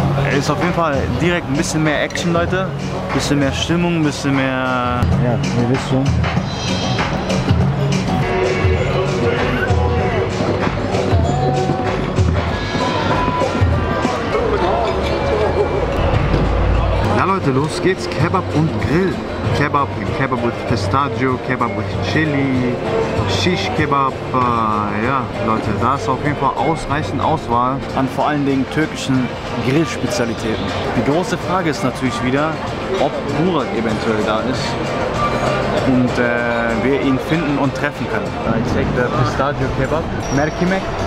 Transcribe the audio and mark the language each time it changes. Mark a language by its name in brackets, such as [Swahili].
[German] Es ist auf jeden Fall direkt ein bisschen mehr Action, Leute. Ein bisschen mehr Stimmung, ein bisschen mehr... Ja, ihr wisst schon. Ja. Monate los geht's, Kebab und Grill. [English] Kebab, Kebab with Pistachio, Kebab with Chili, Shish Kebab. [German] Ja, Leute, da ist auf jeden Fall ausreichend Auswahl. An vor allen Dingen türkischen Grillspezialitäten. Die große Frage ist natürlich wieder, ob Murat eventuell da ist und wir ihn finden und treffen können. [English] I take the Pistachio Kebab. Merkimek.